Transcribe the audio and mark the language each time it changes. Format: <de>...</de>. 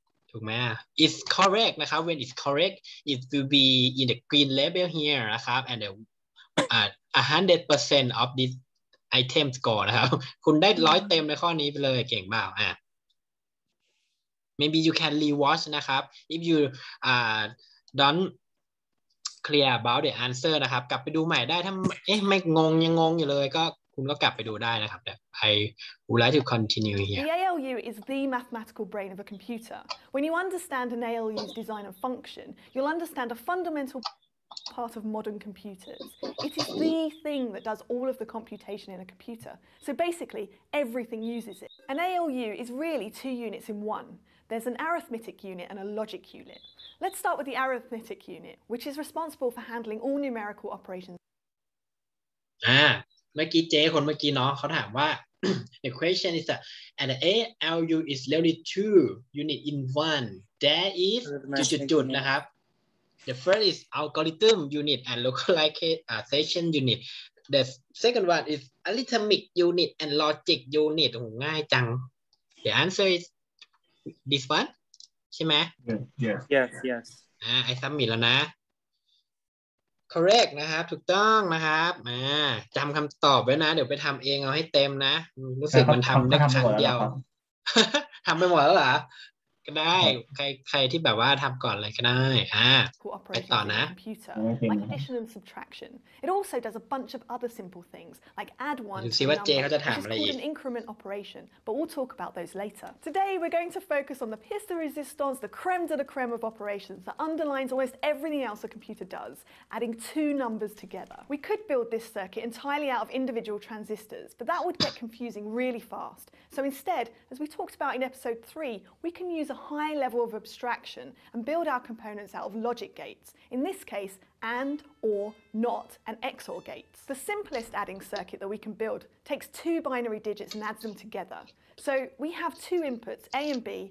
<th>ถูกไหม</th> <en>it's correct</en> <th>นะครับ</th> <en>when it's correct it will be in the green label here</en> <th>นะครับ</th> <en>and the 100% of this item score</en> <th>นะครับคุณได้ร้อยเต็มในข้อนี้ไปเลยเก่งมากอ่ะ</th> <en>maybe you can rewatch</en> <th>นะครับ</th> <en>if you don't clear about the answer</en> <th>นะครับกลับไปดูใหม่ได้ถ้าเอ๊ะไม่งงยังงงอยู่เลยก็คุณก็กลับไปดูได้นะครับแต่</th> <en>I would like to continue here. The ALU is the mathematical brain of a computer. When you understand an ALU's design and function, you'll understand a fundamental part of modern computers. It is the thing that does all of the computation in a computer. So basically, everything uses it. An ALU is really two units in one. There's an arithmetic unit and a logic unit. Let's start with the arithmetic unit, which is responsible for handling all numerical operations.</en> <th>เมื่อกี้เจ้คนเมื่อกี้เนาะเขาถามว่า</th> <en>the question is that and ALU is really two unit in one there is จุดๆนะครับ the first is algorithm unit and localization unit the second one is arithmetic unit and logic unit</en> <th>โอ้ง่ายจัง</th> <en>the answer is this one</en> <th>ใช่ไหม</th> <en>yes</en> <th>ไอ้ซัมมิทแล้วนะcorrect นะครับถูกต้องนะครับมาจำคำตอบไว้นะเดี๋ยวไปทำเองเอาให้เต็มนะรู้สึกมันทำได้ครั้งเดียวทำไปหมดแล้วเหรอก็ได้ใครที่แบบว่าทำก่อนเลยก็ได้ไปต่อนะ</th> <en>like addition and subtraction it also does a bunch of other simple things like add one</en> <th>ดูสิว่าเจเขาจะถามอะไรอีก</th> <en>an increment operation but we'll talk about those later today we're going to focus on the piece de resistance the creme de la creme of operations that underlines almost everything else a computer does adding two numbers together we could build this circuit entirely out of individual transistors but that would get confusing really fast so instead as we talked about in episode 3 we can use a high level of abstraction and build our components out of logic gates in this case and or not and XOR gates the simplest adding circuit that we can build takes two binary digits and adds them together so we have two inputs a and b</en>